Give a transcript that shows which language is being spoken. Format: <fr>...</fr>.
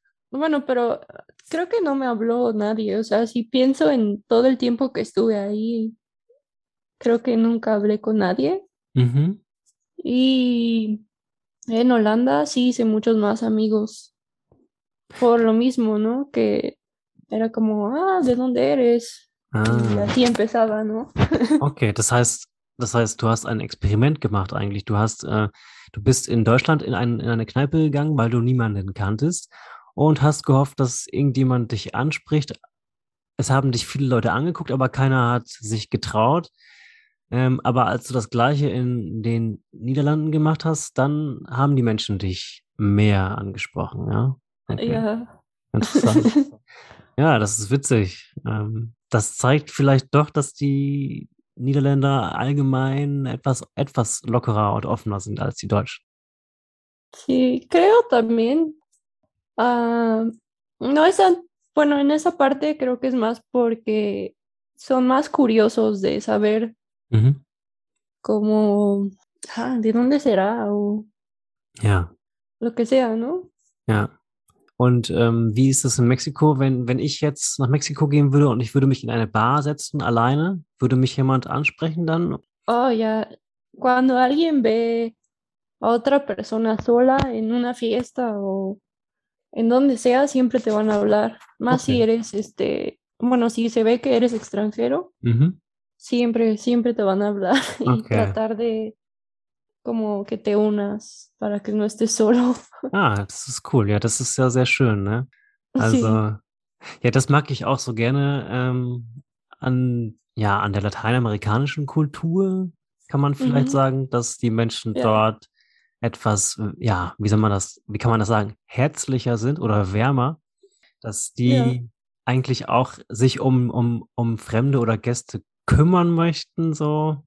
<es>Bueno, pero creo que no me habló nadie. O sea, si pienso en todo el tiempo que estuve ahí, creo que nunca hablé con nadie. Uh-huh. Y en Holanda sí hice muchos más amigos. Por lo mismo, ¿no? Que era como, ah, ¿de dónde eres? Ah. Y así empezaba, ¿no?</es> <de>Okay, das heißt, du hast ein Experiment gemacht eigentlich. Du bist in Deutschland in eine Kneipe gegangen, weil du niemanden kanntest und hast gehofft, dass irgendjemand dich anspricht. Es haben dich viele Leute angeguckt, aber keiner hat sich getraut. Aber als du das Gleiche in den Niederlanden gemacht hast, dann haben die Menschen dich mehr angesprochen, ja? Okay. Ja. Interessant. Ja, das ist witzig. Das zeigt vielleicht doch, dass die Niederländer allgemein etwas lockerer und offener sind als die Deutschen.</de> <es>Sí, creo también. No es tan, bueno, en esa parte creo que es más porque son más curiosos de saber mm-hmm. cómo, de dónde será o</es> <de>ja.</de> <es>Lo que sea, ¿no?</es> <de>Ja. Und wie ist es in Mexiko, wenn ich jetzt nach Mexiko gehen würde und ich würde mich in eine Bar setzen, alleine, würde mich jemand ansprechen dann? Oh ja,</de> <es>cuando alguien ve a otra persona sola en una fiesta o en donde sea, siempre te van a hablar. Más</es> <en>okay.</en> <es>Si eres bueno, si se ve que eres extranjero, mm-hmm. siempre, siempre te van a hablar y</es> <en>okay.</en> <es>Tratar de como que te unas para que no estés solo.</es> <de>Ah, das ist cool. Ja, das ist ja sehr schön, ne? Also,</de> <es>sí.</es> <de>Ja, das mag ich auch so gerne an der lateinamerikanischen Kultur, kann man vielleicht sagen, dass die Menschen dort etwas, ja, wie kann man das sagen, herzlicher sind oder wärmer, dass die eigentlich auch sich um Fremde oder Gäste kümmern möchten, so.</de>